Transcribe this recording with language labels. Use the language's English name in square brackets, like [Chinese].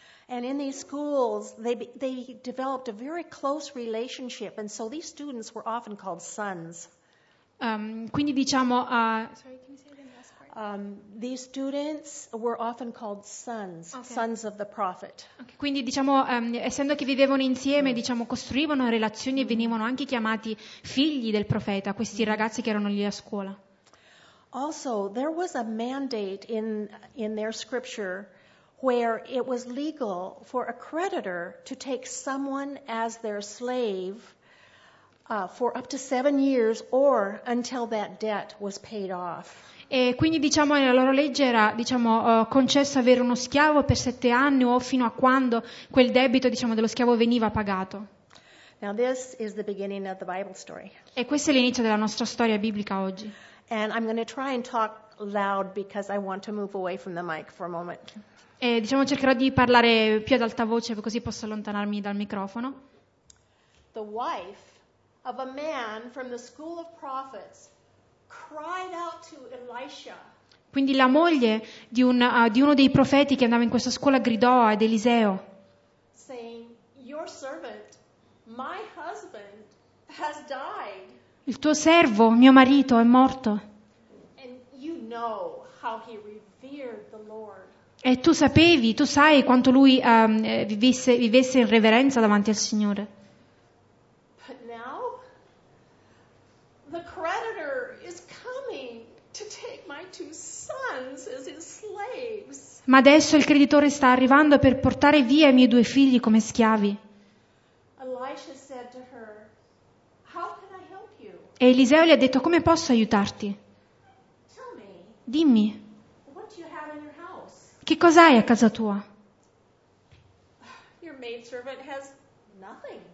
[English] And in these schools they developed a very close relationship, and so these students were often called sons. [Italian] Quindi diciamo [English] These students were often called sons, okay. Sons of the prophet. [Italian] Okay, quindi diciamo, essendo che vivevano insieme, diciamo, costruivano relazioni e venivano anche chiamati figli del profeta, questi ragazzi che erano lì a scuola. [English] Also, there was a mandate in their scripture where it was legal for a creditor to take someone as their slave for up to 7 years or until that debt was paid off. [Italian] E quindi diciamo nella loro legge era diciamo concesso avere uno schiavo per 7 anni o fino a quando quel debito diciamo dello schiavo veniva pagato. [English] Now this is the beginning of the Bible story. [Italian] E questo è l'inizio della nostra storia biblica oggi. [English] And I'm going to try and talk loud because I want to move away from the mic for a moment. [Italian] E diciamo cercherò di parlare più ad alta voce così posso allontanarmi dal microfono. [English] The wife of a man from the school of prophets cried out to Elisha. [Italian] Quindi la moglie di uno dei profeti che andava in questa scuola gridò ad Eliseo, [English] saying, "Your servant, my husband, has died." [Italian] Il tuo servo, mio marito, è morto. [English] And you know how he revered the Lord. [Italian] E tu sai quanto lui vivesse in reverenza davanti al Signore. [English] But now the creditor is coming to take my two sons as his slaves. [Italian] Ma adesso il creditore sta arrivando per portare via i miei due figli come schiavi. [English] Elisha said to her, "How can I help you?" [Italian] E Eliseo gli ha detto, come posso aiutarti? [English] Tell me, [Italian] dimmi, [English] what you have in your house? [Italian] Che cosa hai a casa tua? [English] Your maidservant has nothing.